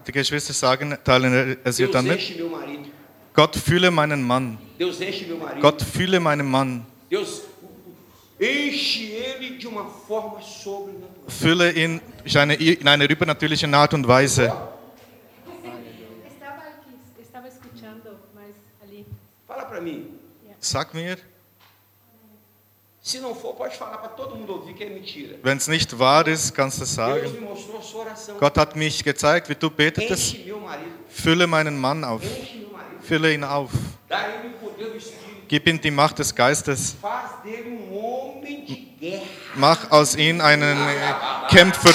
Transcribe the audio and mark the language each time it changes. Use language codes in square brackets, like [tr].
[de] Die Geschwister sagen, teilen es ihr dann mit. Gott fühle meinen Mann. [pt] Deus enche meu marido. [de] Gott fühle meinen Mann. [pt] Deus enche ele de uma forma sobrenatural. [de] Fühle ihn in einer übernatürlichen Art und Weise. [pt] Estava escutando, mas ali. Fala para mim. [de] Sag mir. [pt] Se não for, pode falar para todo mundo ouvir que é mentira. [de] Wenn es nicht wahr ist, kannst du sagen. [pt] Deus me mostrou a sua oração. [de] Gott hat mich gezeigt, wie du betetest. [pt] Enche meu marido. [de] Fülle meinen Mann auf. [pt] Enche meu marido. [de] Fülle ihn auf. [pt] Dá ele o poder do Espírito. [de] Gib ihm die Macht des Geistes. [pt] Faz dele homem de guerra. [de] Mach aus ihm einen Kämpfer.